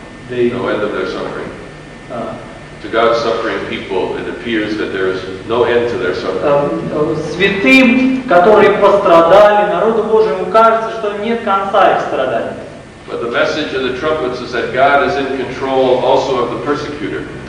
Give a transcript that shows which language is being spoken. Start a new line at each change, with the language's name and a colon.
English: No end of their suffering. To God's suffering people, it appears that there is no end to their suffering.
Russian: Святым, которые пострадали, народу Божьему кажется, что нет конца их страданий.
English: But the message of the trumpets is that God is in control also of the persecutor.